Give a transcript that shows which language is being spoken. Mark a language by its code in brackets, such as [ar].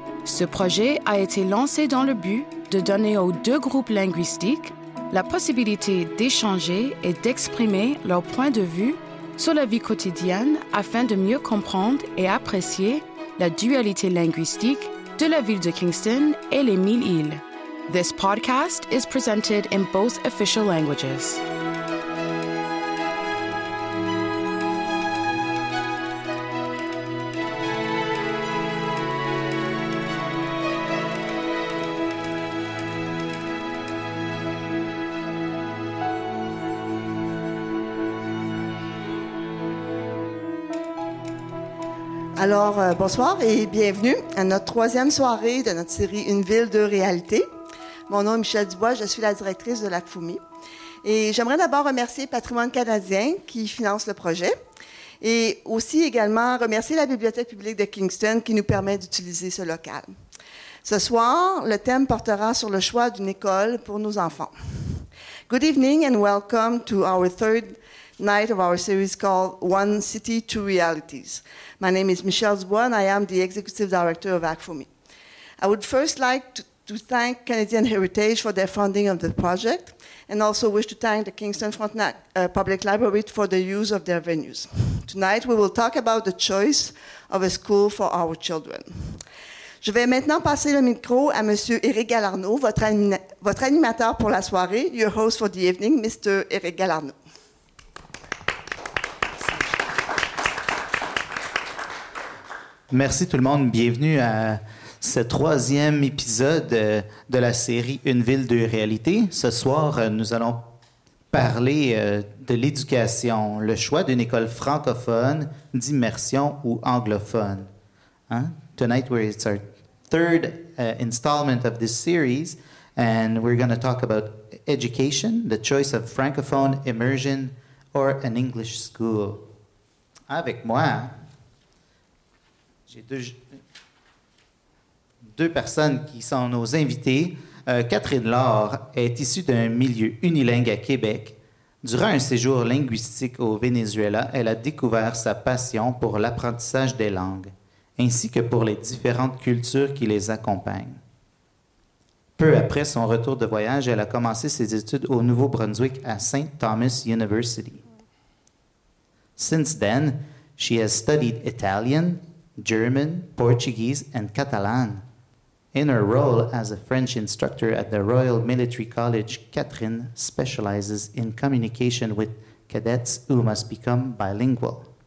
[fr] Ce projet a été lancé dans le but de donner aux deux groupes linguistiques la possibilité d'échanger et d'exprimer leur point de vue sur la vie quotidienne afin de mieux comprendre et apprécier la dualité linguistique de la ville de Kingston et les mille îles. [en] This podcast is presented in both official languages. [fr] Alors, bonsoir et bienvenue à notre troisième soirée de notre série Une ville, deux réalités. Mon nom est Michèle Dubois, je suis la directrice de l'ACFUMI. Et j'aimerais d'abord remercier Patrimoine canadien qui finance le projet et aussi également remercier la Bibliothèque publique de Kingston qui nous permet d'utiliser ce local. Ce soir, le thème portera sur le choix d'une école pour nos enfants. [en] Good evening and welcome to our third night of our series called One City, Two Realities. My name is Michèle Dubois and I am the Executive Director of ACFUMI. I would first like to thank Canadian Heritage for their funding of the project and also wish to thank the Kingston Frontenac Public Library for the use of their venues. Tonight, we will talk about the choice of a school for our children. [fr] Je vais maintenant passer le micro à Monsieur Éric Galarneau, votre animateur pour la soirée, [en] your host for the evening, Mr. Éric Galarneau. [fr] Merci tout le monde. Bienvenue à ce troisième épisode de la série Une ville, deux réalités. Ce soir, nous allons parler de l'éducation, le choix d'une école francophone, d'immersion ou anglophone. Hein? [en] Tonight, it's our third installment of this series, and we're going to talk about education, the choice of francophone, immersion, or an English school. [fr] Avec moi, j'ai deux personnes qui sont nos invitées. Catherine Laure est issue d'un milieu unilingue à Québec. Durant un séjour linguistique au Venezuela, elle a découvert sa passion pour l'apprentissage des langues, ainsi que pour les différentes cultures qui les accompagnent. Peu après son retour de voyage, elle a commencé ses études au Nouveau-Brunswick à St. Thomas University. [en] Since then, she has studied Italian, German, Portuguese, and Catalan. In her role as a French instructor at the Royal Military College, Catherine specializes in communication with cadets who must become bilingual.